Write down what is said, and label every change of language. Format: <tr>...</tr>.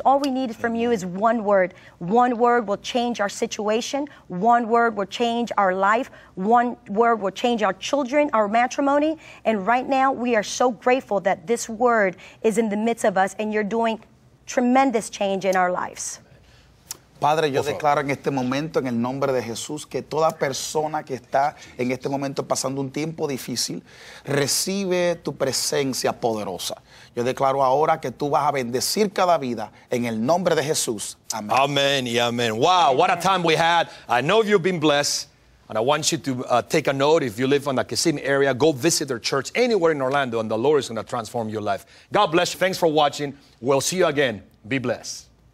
<en>All we need from you is one word. One word will change our situation. One word will change our life. One word will change our children, our matrimony. And right now, we are so grateful that this word is in the midst of us and you're doing tremendous change in our lives.</en> <es>Padre, yo declaro en este momento, en el nombre de Jesús, que toda persona que está en este momento pasando un tiempo difícil, recibe tu presencia poderosa. Yo declaro ahora que tú vas a bendecir cada vida en el nombre de Jesús. Amén. Amén y amén.</es> <en>Wow, what a time we had. I know you've been blessed. And I want you to take a note. If you live in the Kissimmee area, go visit their church anywhere in Orlando, and the Lord is going to transform your life. God bless you. Thanks for watching. We'll see you again. Be blessed.</en>